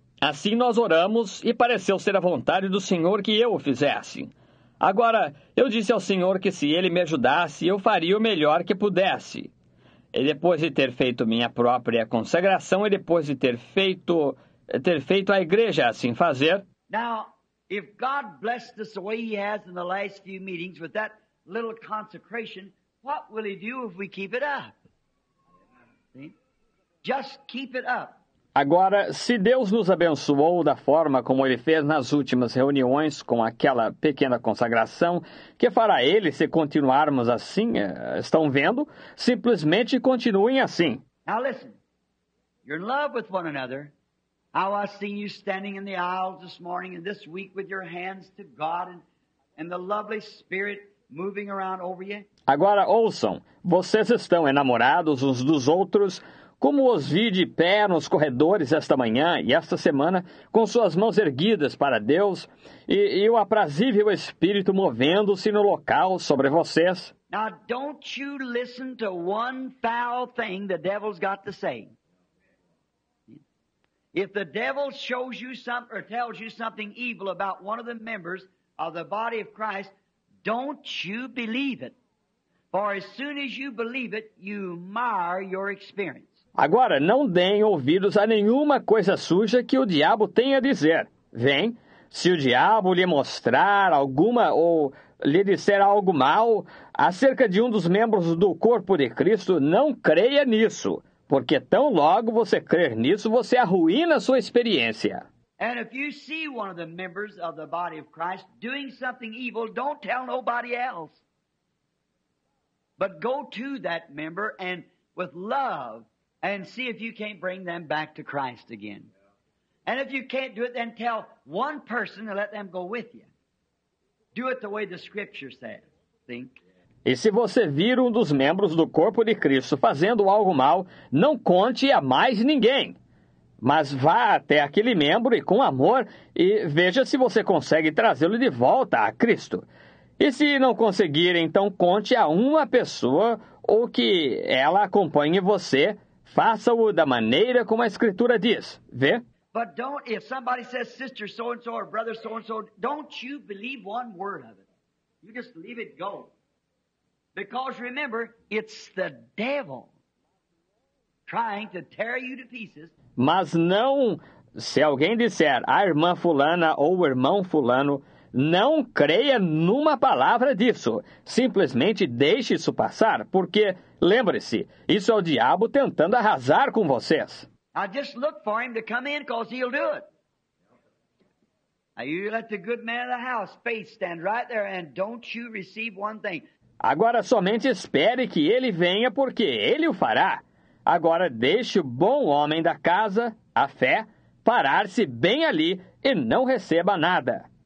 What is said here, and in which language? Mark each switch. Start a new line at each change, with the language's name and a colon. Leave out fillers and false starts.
Portuguese: Assim nós oramos, e pareceu ser a vontade do Senhor que eu o fizesse. Agora, eu disse ao Senhor que se Ele me ajudasse, eu faria o melhor que pudesse. E depois de ter feito minha própria consagração, e depois de ter feito a igreja assim fazer...
English: Now, if God blessed us the way He has in the last few meetings with that little consecration, what will He do if we keep it up? See? Just keep it up.
Portuguese: Agora, se Deus nos abençoou da forma como Ele fez nas últimas reuniões com aquela pequena consagração, que fará Ele se continuarmos assim? Estão vendo? Simplesmente continuem assim.
English: Now listen, you're in love with one another. How I've seen you standing in the aisles this morning and this week with your hands to God and the lovely Spirit moving around over you.
Portuguese: Agora ouçam, vocês estão enamorados uns dos outros. Como os vi de pé nos corredores esta manhã e esta semana, com suas mãos erguidas para Deus, e o aprazível Espírito movendo-se no local sobre vocês.
English: Now, don't you listen to one foul thing the devil's got to say. If the devil shows you something or tells you something evil about one of the members of the body of Christ, don't you believe it. For as soon as you believe it, you mar your experience.
Portuguese: Agora, não deem ouvidos a nenhuma coisa suja que o diabo tenha a dizer. Vem, se o diabo lhe mostrar alguma ou lhe disser algo mal acerca de um dos membros do corpo de Cristo, não creia nisso, porque tão logo você crer nisso, você arruína a sua experiência.
English: And if you see one of the members of the body of Christ doing something evil, don't tell nobody else. But go to that member and with love and see if you can't bring them back to Christ again. And if you can't do it, then tell one person and let them go with you. Do it the way the Scripture says. Think.
Portuguese: E se você vir um dos membros do corpo de Cristo fazendo algo mal, não conte a mais ninguém. Mas vá até aquele membro e com amor e veja se você consegue trazê-lo de volta a Cristo. E se não conseguir, então conte a uma pessoa ou que ela acompanhe você. Faça-o da maneira como a Escritura diz. Vê?
English: But don't, if somebody says sister so-and-so or brother so-and-so, don't you believe one word of it. You just leave it go. Because remember, it's the devil trying to tear you to pieces.
Portuguese: Mas não, se alguém disser, a irmã fulana ou o irmão fulano, não creia numa palavra disso. Simplesmente deixe isso passar, porque, lembre-se, isso é o diabo tentando arrasar com vocês.
English: Now just look for him to come in, because he'll do it. Now you let the good man of the house, faith, stand right there, and don't you receive one thing.
Portuguese: Agora somente espere que ele venha, porque ele o fará. Agora deixe o bom homem da casa, a fé, parar-se bem ali e não receba nada.